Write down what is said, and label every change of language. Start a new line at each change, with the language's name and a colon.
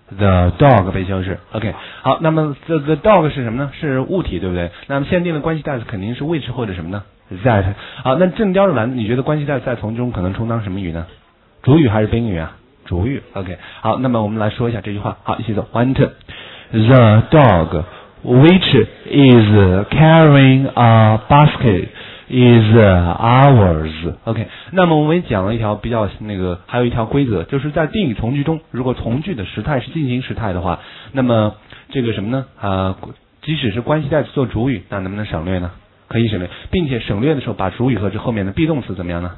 Chinese: The dog 被修饰。OK， 好，那么 the dog 是什么呢？是物体，对不对？那么限定的关系代词肯定是 which 或者什么呢？that。好，那正叼着篮子你觉得关系代词在从句中可能充当什么语呢？主语还是宾语啊？主语。 OK， 好，那么我们来说一下这句话。好，一起走。
English: One turn。 The dog which is carrying a basket is ours。
Chinese: OK， 那么我们也讲了一条比较那个，还有一条规则，就是在定语从句中，如果从句的时态是进行时态的话，那么这个什么呢即使是关系代词做主语，那能不能省略呢？可以省略，并且省略的时候把主语和这后面的 be 动词怎么样呢？